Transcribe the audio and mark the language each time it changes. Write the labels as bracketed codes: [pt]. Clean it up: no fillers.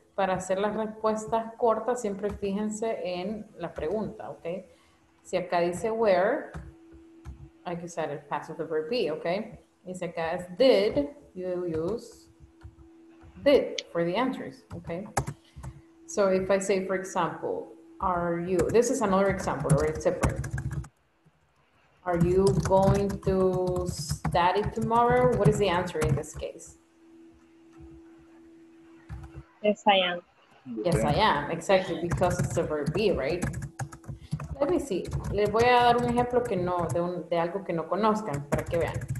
[es] Para hacer las respuestas cortas, siempre fíjense en la pregunta, okay? Si acá dice where, hay que usar el [en] past of the verb be, [es] okay? Y si acá es [en] did, you use did for the answers, okay? So if I say, for example, are you, this is another example, or it's separate. Are you going to study tomorrow? What is the answer in this case? Yes, I am. Yes, I am, exactly, because it's a verb be, right? Let me see. [es] Les voy a dar un ejemplo que no, de algo que no conozcan, para que vean.